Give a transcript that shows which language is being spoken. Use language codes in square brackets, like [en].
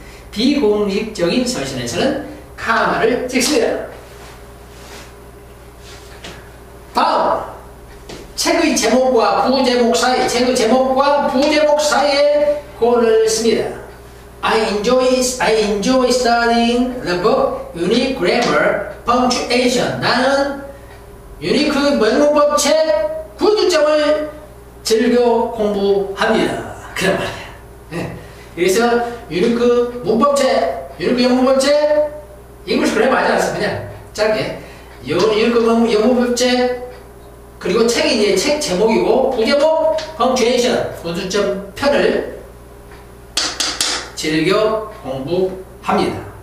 [ko] 비공식적인 서신에서는 comma를 찍습니다. 다음, 책의 제목과 부제목 사이, 책의 제목과 부제목 사이에 colon을 씁니다. [en] I enjoy studying the book Unique Grammar Punctuation. [ko] 나는 유니크 문법 책 구두점을 즐겨 공부합니다. 그런 말이야. 네. 그래서 유니크 문법 책, 유니크 영문법 책, English Grammar 하지 않습니다. 짧게. 유니크 영문법 책, 그리고 책이 이제 책 제목이고, 부제목 Punctuation, 구두점 편을 즐겨 공부합니다.